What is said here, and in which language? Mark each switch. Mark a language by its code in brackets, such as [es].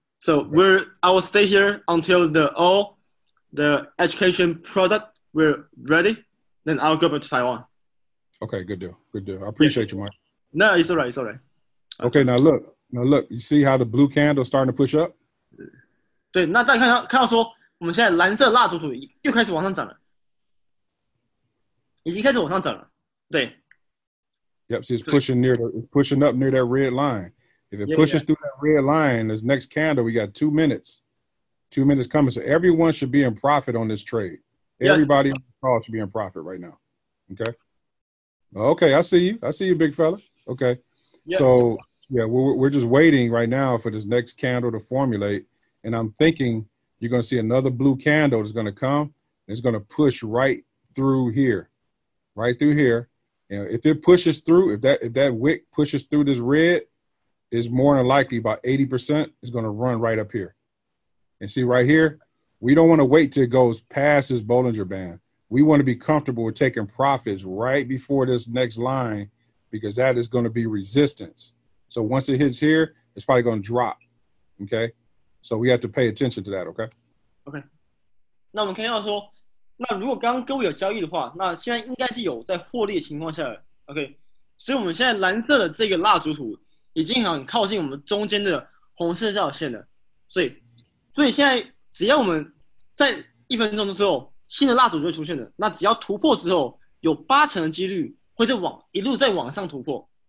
[en] So I will stay here until the education product we're ready. Then I'll go back to Taiwan. Okay, good deal. I appreciate you, Mike. No, it's all right. Okay, now look. You see how the blue candle is starting to push up? [zh] 对，那大家看到说，我们现在蓝色蜡烛图又开始往上涨了，已经开始往上涨了。对。 [en] Yep, see, it's pushing up near that red line. If it pushes through that red line, this next candle, we got 2 minutes. 2 minutes coming. So everyone should be in profit on this trade. Everybody on the call should be in profit right now. Okay? Okay, I see you. I see you, big fella. Okay. Yes. So, yeah, we're just waiting right now for this next candle to formulate. And I'm thinking you're going to see another blue candle that's going to come. And it's going to push right through here. Right through here. And if it pushes through, if that wick pushes through this red,is more than likely about 80% is going to run right up here. And see right here, we don't want to wait till it goes past this Bollinger Band. We want to be comfortable with taking profits right before this next line because that is going to be resistance. So once it hits here, it's probably going to drop, okay? So we have to pay attention to that, okay? Okay. [zh] 那我们看到说，那如果刚刚各位有交易的话，那现在应该是有在获利的情况下的 okay? 所以我们现在蓝色的这个蜡烛图已经很靠近我们中间的红色这条线了，所以现在只要我们在一分钟的时候，新的蜡烛就会出现了。那只要突破之后，有八成的几率会再往一路再往上突破。